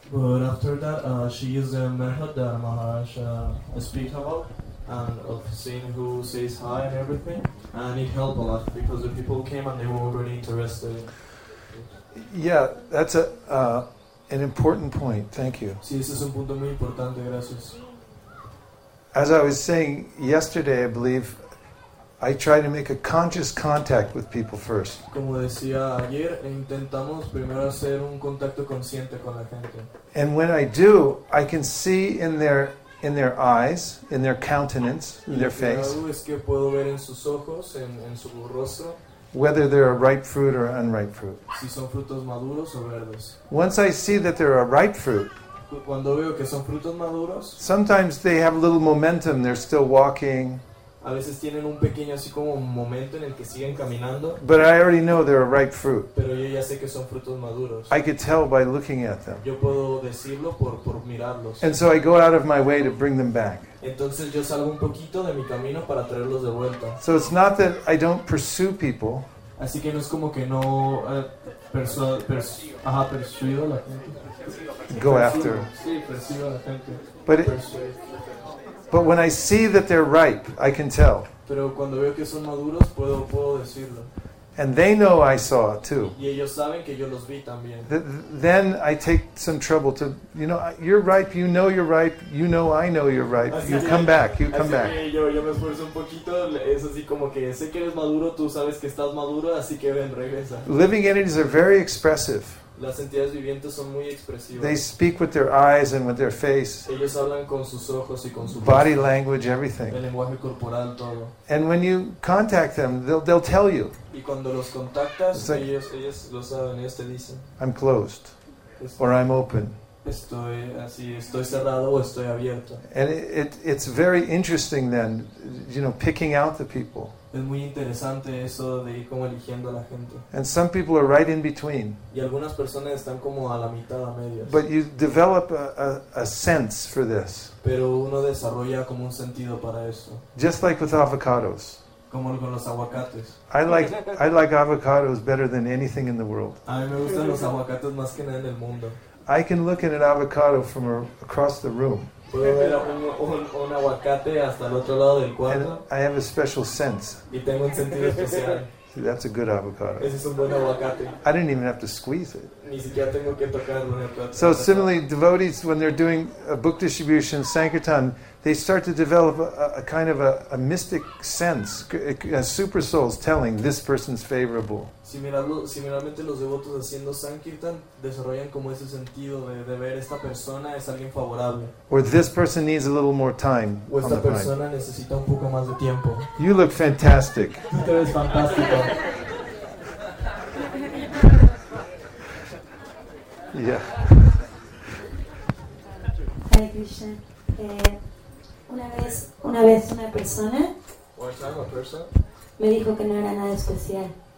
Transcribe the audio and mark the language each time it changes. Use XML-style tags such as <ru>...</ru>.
<en>But after that, she used a method that Maharaj speak about, and of seeing who says hi and everything, and it helped a lot because the people came and they were already interested. Yeah, that's an important point. Thank you.</en> <es>Sí, ese es un punto muy importante. Gracias.</es> <en>As I was saying yesterday, I believe I try to make a conscious contact with people first.</en> <es>Como decía ayer, intentamos primero hacer un contacto consciente con la gente.</es> <en>And when I do, I can see in their eyes, in their countenance, in their face.</en> <es>Y es que puedo ver en sus ojos, en su rostro.</es> <en>Whether they're a ripe fruit or unripe fruit.</en> <es>Si son frutos maduros o verdes.</es> <en>Once I see that they're a ripe fruit,</en> <es>cuando veo que son frutos maduros,</es> <en>sometimes they have a little momentum, they're still walking.</en> <es>A veces tienen un pequeño así como un momento en el que siguen caminando.</es> <en>But I already know they're a ripe fruit.</en> <es>Pero yo ya sé que son frutos maduros.</es> <en>I could tell by looking at them.</en> <es>Yo puedo decirlo por mirarlos.</es> <en>And so I go out of my way to bring them back.</en> <es>Entonces yo salgo un poquito de mi camino para traerlos de vuelta.</es> <en>So it's not that I don't pursue people.</en> <es>Así que no es como que no persuido a la gente.</es> <en>Go after.</en> <es>Sí, persuido a la gente.</es> <en>But when I see that they're ripe, I can tell.</en> <es>Pero cuando veo que son maduros, puedo decirlo.</es> <en>And they know I saw it too.</en> <es>Y ellos saben que yo los vi también.</es> <en>Then I take some trouble to, you know, you're ripe, you know you're ripe, you know I know you're ripe,</en> <es>así</es> <en>you come back, you come back.</en> <es>Yo me esfuerzo un poquito, es así como que sé que eres maduro, tú sabes que estás maduro, así que ven, regresa.</es> <en>Living entities are very expressive.</en> <es>Las entidades vivientes son muy expresivas.</es> <en>They speak with their eyes and with their face.</en> <es>Ellos hablan con sus ojos y con su</es> <en>body</en> <es>voz,</es> <en>language, everything.</en> <es>El lenguaje corporal, todo.</es> <en>And when you contact them, they'll tell you.</en> <es>Y cuando los contactas, like, ellos lo saben, ellos te dicen.</es> <en>I'm closed. Or I'm open.</en> <es>Estoy cerrado o estoy abierto.</es> <en>And it's very interesting then, you know, picking out the people.</en> <es>Es muy interesante eso de ir como eligiendo a la gente.</es> <en>And some people are right in between.</en> <es>Y algunas personas están como a la mitad, a medias.</es> <en>But you develop a sense for this.</en> <es>Pero uno desarrolla como un sentido para eso.</es> <en>Just like with avocados.</en> <es>Como con los aguacates.</es> <en>I like avocados better than anything in the world.</en> <es>A mí me gustan los aguacates más que nada en el mundo.</es> <en>I can look at an avocado from across the room.</en> <es>Puedo ver un aguacate hasta el otro lado del cuarto.</es> <en>And I have a special sense.</en> <es>Y tengo un sentido especial.</es> <en>See, that's a good avocado.</en> <es>Ese es un buen aguacate.</es> <en>I didn't even have to squeeze it.</en> <es>Ni siquiera tengo que tocarlo en el plato.</es> <en>So similarly, devotees, when they're doing a book distribution, Sankirtan, they start to develop a kind of a mystic sense, a super souls telling this person's favorable.</en> <es>Similarmente, los devotos haciendo Sankirtan desarrollan como ese sentido de ver esta persona es alguien favorable.</es> <en>Or this person needs a little more time.</en> <es>O esta persona necesita un poco más de tiempo.</es> <en>You look fantastic.</en> <es>Tú eres fantástico.</es> <en>Yeah. Hare Krishna.</en> <es>Una vez una persona me dijo que no era nada especial.</es>